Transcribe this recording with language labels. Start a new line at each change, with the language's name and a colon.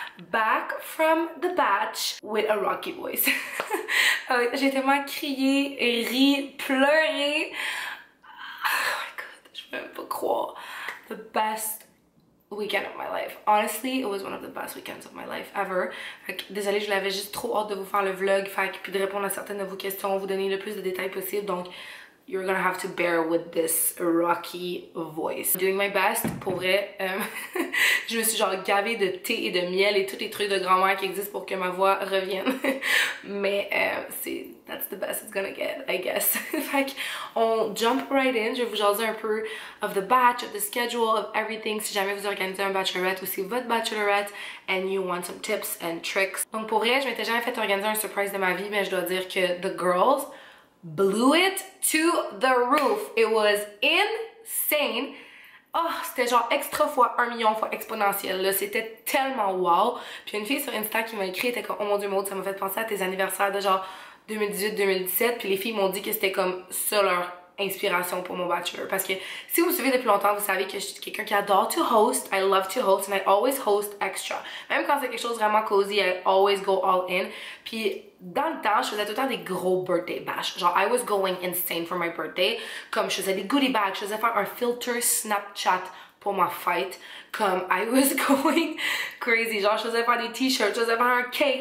English: Back from the batch with a rocky voice.
French: J'ai tellement crié, ri, pleuré.
English: Oh my god,
French: je peux même pas croire.
English: The best weekend of my life. Honestly, it was one of the best weekends of my life ever.
French: Fait que, désolée, je l'avais juste trop hâte de vous faire le vlog, fait que, puis de répondre à certaines de vos questions, vous donner le plus de détails possible.
English: Donc, you're gonna have to bear with this rocky voice. Doing my best,
French: pour vrai, je me suis genre gavée de thé et de miel et tous les trucs de grand-mère qui existent pour que ma voix revienne. Mais c'est,
English: that's the best it's gonna get, I guess.
French: Fait qu'on
English: jump right in,
French: je vais vous jaser un peu
English: of the batch, of the schedule, of everything,
French: si jamais vous organisez un bachelorette ou si votre bachelorette
English: and you want some tips and tricks.
French: Donc pour vrai, je m'étais jamais fait organiser un surprise de ma vie, mais je dois dire que
English: the girls blew it to the roof. It was insane.
French: Oh, c'était genre extra fois un million fois exponentiel. Là, c'était tellement wow. Puis une fille sur Insta qui m'a écrit était comme, oh mon dieu, Maud, ça m'a fait penser à tes anniversaires de genre 2018-2017. Puis les filles m'ont dit que c'était comme ça leur inspiration pour mon bachelor. Parce que si vous me suivez depuis longtemps, vous savez que je suis quelqu'un qui adore
English: to host. I love to host and I always host extra.
French: Même quand c'est quelque chose vraiment cozy,
English: I always go all in.
French: Puis dans le temps, je faisais tout le temps des gros
English: birthday bash.
French: Genre,
English: I was going insane for my birthday.
French: Comme je faisais des goodie bags, je faisais faire un filter Snapchat pour ma fête. Comme
English: I was going crazy.
French: Genre, je faisais faire des t-shirts, je faisais faire un cake.